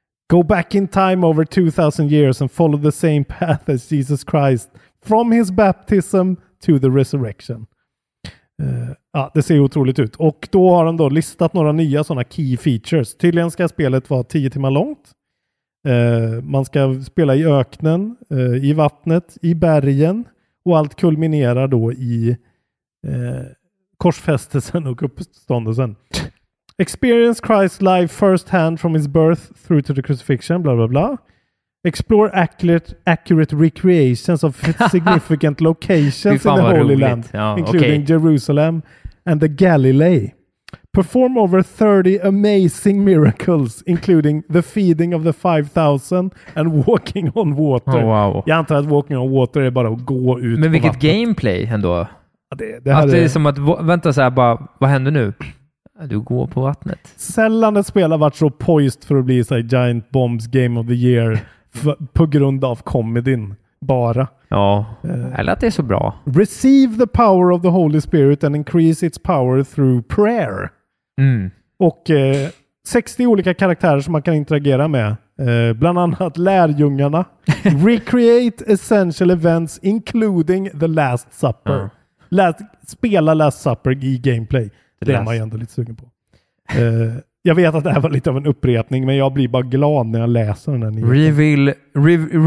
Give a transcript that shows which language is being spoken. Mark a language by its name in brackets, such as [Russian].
[English] Go back in time over 2000 years and follow the same path as Jesus Christ from his baptism to the resurrection. [Swedish] Det ser otroligt ut. Och då har de då listat några nya sådana key features. Tydligen ska spelet vara 10 timmar långt. Man ska spela i öknen, i vattnet, i bergen. Och allt kulminerar då i korsfästelsen och uppståndelsen. [English] Experience Christ live first hand from his birth through to the crucifixion, bla bla bla. Explore accurate recreations of significant locations in the Holy Land, [Swedish] ja, [English] including okay. Jerusalem and the Galilee. Perform over 30 amazing miracles, including the feeding of the 5,000 and walking on water. Oh, wow. [Swedish] Jag antar att [English] walking on water [Swedish] är bara att gå ut. Men vilket gameplay ändå. Det är som att, vänta så här, bara, vad händer nu? Du går på vattnet. Sällan ett spel har varit så poised för att bli så här, Giant Bombs Game of the Year på grund av komedin. Bara. Ja, eller att det är så bra. [English] Receive the power of the Holy Spirit and increase its power through prayer. Mm. [Swedish] Och 60 olika karaktärer som man kan interagera med. Bland annat lärjungarna. [English] Recreate essential events including the Last Supper. Mm. [Swedish] Spela Last Supper i gameplay. Det är man ju ändå lite sugen på. Jag vet att det här var lite av en upprepning, men jag blir bara glad när jag läser den här nyheten.